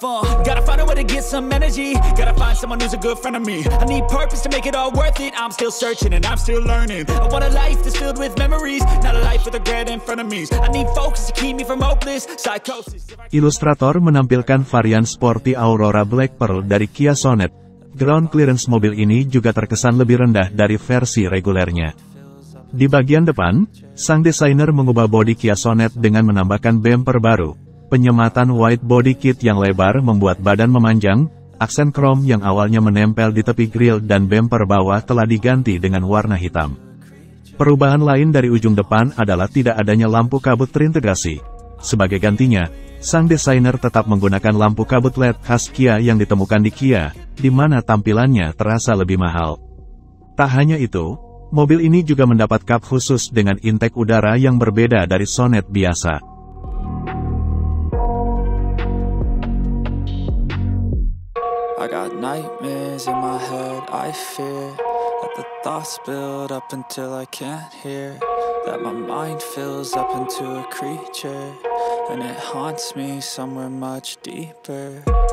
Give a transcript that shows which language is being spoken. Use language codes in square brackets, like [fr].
[en] Gotta find a way to get some energy. Gotta find someone who's a good friend of me. I need purpose to make it all worth it. I'm still searching and I'm still learning. I want a life that's filled with memories, not a life with regret in front of me. I need focus to keep me from hopeless psychosis. [id] Ilustrator menampilkan varian sporty Aurora Black Pearl dari Kia Sonet. Ground clearance mobil ini juga terkesan lebih rendah dari versi regulernya. Di bagian depan, sang desainer mengubah bodi Kia Sonet dengan menambahkan bumper baru. Penyematan wide body kit yang lebar membuat badan memanjang, aksen krom yang awalnya menempel di tepi grill dan bumper bawah telah diganti dengan warna hitam. Perubahan lain dari ujung depan adalah tidak adanya lampu kabut terintegrasi. Sebagai gantinya, sang desainer tetap menggunakan lampu kabut LED khas Kia yang ditemukan di Kia, di mana tampilannya terasa lebih mahal. Tak hanya itu, mobil ini juga mendapat kap khusus dengan intake udara yang berbeda dari Sonet biasa. [en] I got nightmares in my head, I fear that the thoughts build up until I can't hear, that my mind fills up into a creature and it haunts me somewhere much deeper.